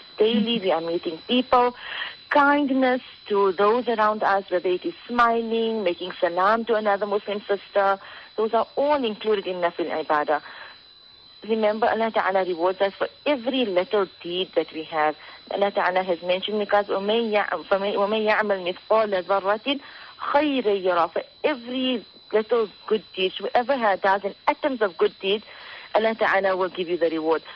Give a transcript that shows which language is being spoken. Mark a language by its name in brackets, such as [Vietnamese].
[English] Daily we are meeting people. Kindness to those around us, whether it is smiling, making salam to another Muslim sister, those are all included in nafil ibadah. Remember, Allah Ta'ala rewards us for every little deed that we have. Allah Ta'ala has mentioned, because [Arabic] وَمَنْ يَعْمَلْ مِثْقَالَ ذَرَّةٍ خَيْرَ يَرَى. [English] For every little good deed, whoever does an atom of good deed, Allah Ta'ala will give you the reward.